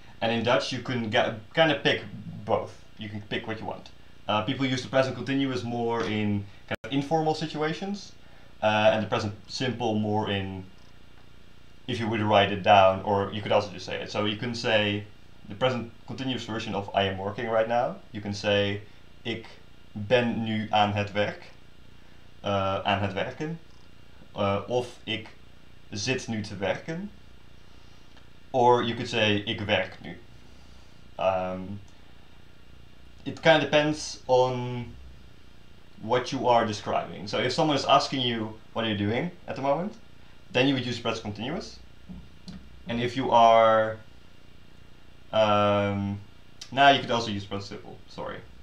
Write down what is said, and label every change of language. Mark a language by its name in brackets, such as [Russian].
[English] And in Dutch, you can kind of pick both. You can pick what you want. People use the present continuous more in kind of informal situations, and the present simple more in if you would write it down, or you could also just say it. So you can say the present continuous version of I am working right now. You can say [Dutch] ik ben nu aan het werken, of ik zit nu te werken, [English] or you could say [Dutch] ik werk nu. [English] It kind of depends on what you are describing. So if someone is asking you what you're doing at the moment, then you would use present continuous. And if you are, now you could also use present simple, sorry.